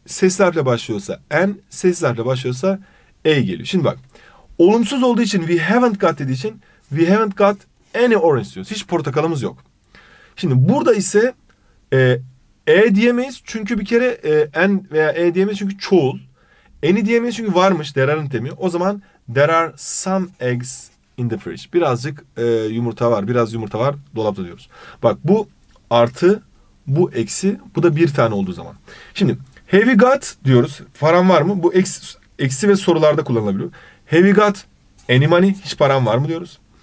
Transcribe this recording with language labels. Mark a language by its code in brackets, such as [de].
[tr] Sesli harfle başlıyorsa n, sessiz harfle başlıyorsa e geliyor. Şimdi bak. Olumsuz olduğu için we haven't got dediği için [en] we haven't got any orange [tr] diyoruz. Hiç portakalımız yok. Şimdi burada ise e diyemeyiz. Çünkü bir kere n veya e diyemeyiz. Çünkü çoğul. Any diyemeyiz. Çünkü varmış. There aren't demiyor. O zaman [en] there are some eggs in the fridge. [tr] Birazcık yumurta var. Biraz yumurta var. Dolapta diyoruz. Bak bu artı, bu eksi, bu da bir tane olduğu zaman. Şimdi have you got diyoruz. Param var mı? Bu eksi ve sorularda kullanılabiliyor. [en] Have you got any money? [tr] Hiç param var mı diyoruz.